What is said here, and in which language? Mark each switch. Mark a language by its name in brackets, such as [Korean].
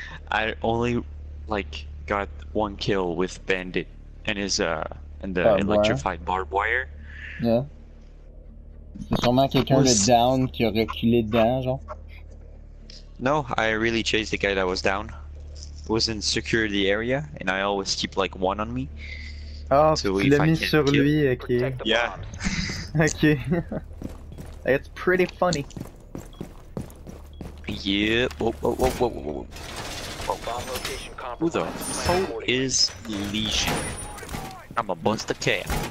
[English] I only, like, got 1 kill with bandit and his, and the barbed electrified wire. Barbed wire. Yeah. [French] C'est sûrement quelqu'un de down qui a reculé dedans, genre. [English] No, I really chased the guy that was down. It was in security area, and I always keep like 1 on me. Oh, so [French] tu l'as mis sur lui, ok. [English] Yeah. Ok. It's pretty funny. Yeah. Whoa. Who the fuck is Legion? I'ma bust the cap.